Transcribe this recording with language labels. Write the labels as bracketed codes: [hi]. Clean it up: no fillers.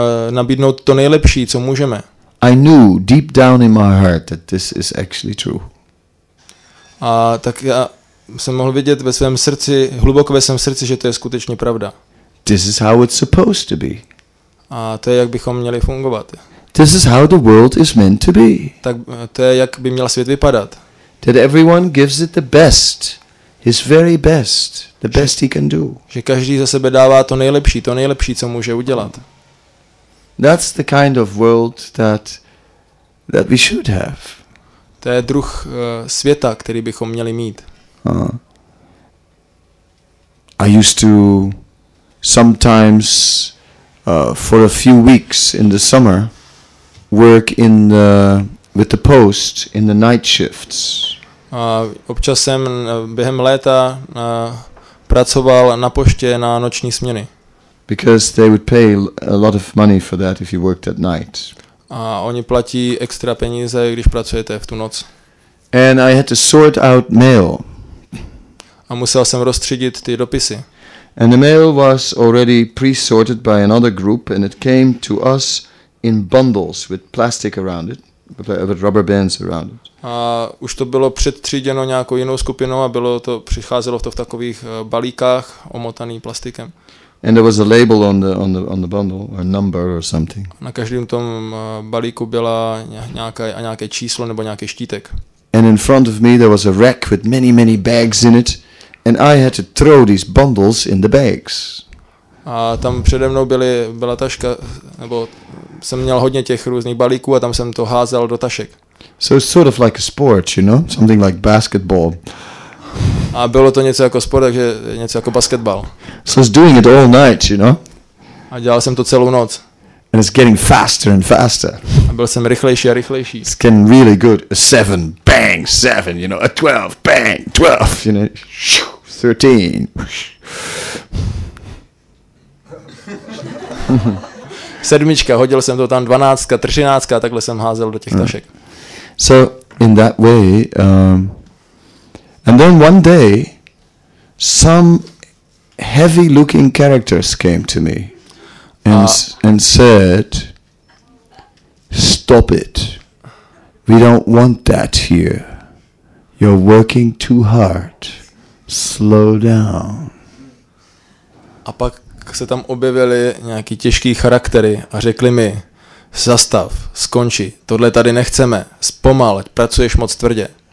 [cs] Nabídnout to nejlepší, co můžeme. [en] I knew deep down in my heart that this is actually true. [cs] A tak já jsem mohl vidět ve svém srdci, hluboko ve svém srdci, že to je skutečně pravda. [en] This is how it's supposed to be. [cs] A to je, jak bychom měli fungovat. [en] This is how the world is meant to be. [cs] Tak to je, jak by měl svět vypadat. [en] That everyone gives it the best, his very best, the best he can do. [cs] Že každý za sebe dává to nejlepší, co může udělat. [en] That's the kind of world that we should have. [cs] To je druh světa, který bychom měli mít. [en] I used to sometimes for a few weeks in the summer work with the post in the night shifts. [cs] Občas jsem během léta pracoval na poště na noční směny. [en] Because they would pay a lot of money for that if you worked at night. [cs] A oni platí extra peníze, když pracujete v tu noc. [en] And I had to sort out mail. [cs] A musel jsem rozstřídit ty dopisy. [en] And the mail was already pre-sorted by another group and it came to us in bundles with plastic around it. rubber bands around it. [cs] A už to bylo předtříděno nějakou jinou skupinou a bylo to, přicházelo to v takových balíkách omotaný plastikem. [en] And there was a label on the bundle, a number or something. [cs] Na každém tom balíku byla nějaké číslo nebo nějaký štítek. [en] And in front of me there was a rack with many many bags in it, and I had to throw these bundles in the bags. [cs] A tam přede mnou byla taška, nebo jsem měl hodně těch různých balíků a tam jsem to házel do tašek. [en] So it's sort of like a sport, you know, something like basketball. [cs] A bylo to něco jako sport, takže něco jako basketbal. [en] So I was doing it all night, you know. [cs] A dělal jsem to celou noc. [en] And it's getting faster and faster. [cs] A byl jsem rychlejší a rychlejší. [en] It's getting really good. A 7, bang, 7, you know, a 12, bang, 12, you know, 13. [cs] Sedmička, hodil jsem to tam, 12, 13, takhle jsem házel do těch tašek. [en] So in that way, and then one day some heavy looking characters came to me and said, stop it, we don't want that here, you're working too hard, slow down. [cs] A pak se tam objevily nějaký těžký charaktery a řekli mi, zastav, skonči, tohle tady nechceme, zpomal, pracuješ moc tvrdě.